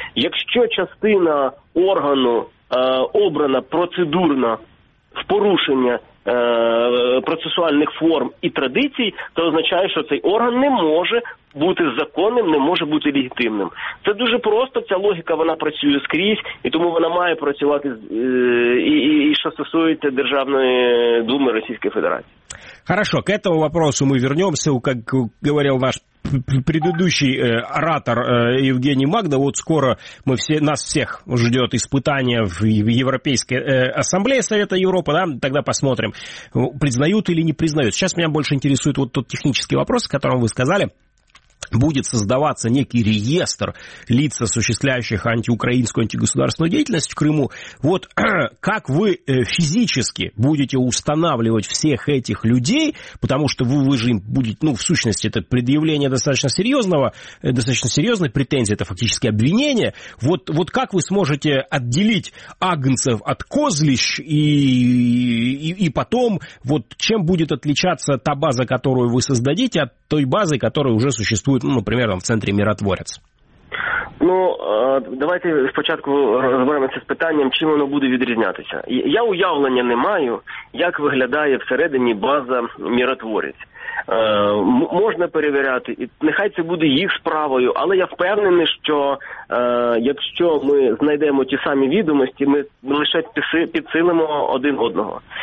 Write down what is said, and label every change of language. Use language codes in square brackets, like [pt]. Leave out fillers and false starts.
[uk] Якщо частина органу обрана процедурно в порушення процесуальних форм і традицій, то означає, що цей орган не може бути законним, не може бути легітимним. Це дуже просто, ця логіка, вона працює скрізь, і тому вона має працювати і що стосується Державної Думи Російської Федерації. [ru] Хорошо, к этому вопросу мы вернемся, как говорил ваш предыдущий оратор Евгений Магда, вот скоро мы все, нас всех ждет испытание в Европейской Ассамблее Совета Европы, да? Тогда посмотрим, признают или не признают. Сейчас меня больше интересует вот тот технический вопрос, о котором вы сказали. Будет создаваться некий реестр лиц, осуществляющих антиукраинскую, антигосударственную деятельность в Крыму. Вот как вы физически будете устанавливать всех этих людей, потому что вы же им будете, ну, в сущности, это предъявление достаточно серьезной претензии, это фактически обвинение. Вот как вы сможете отделить агнцев от козлищ и потом, вот чем будет отличаться та база, которую вы создадите, от той базы, которая уже существует, ну, например, [uk] в центрі [ru] Миротворець. [uk] Ну, давайте спочатку розберемося з питанням, чим воно буде відрізнятися. Я уявлення не маю, як виглядає всередині база Миротворець. Можна перевіряти, і нехай це буде їх справою, але я впевнений, що якщо ми знайдемо ті самі відомості, ми лише підсилимо один одного.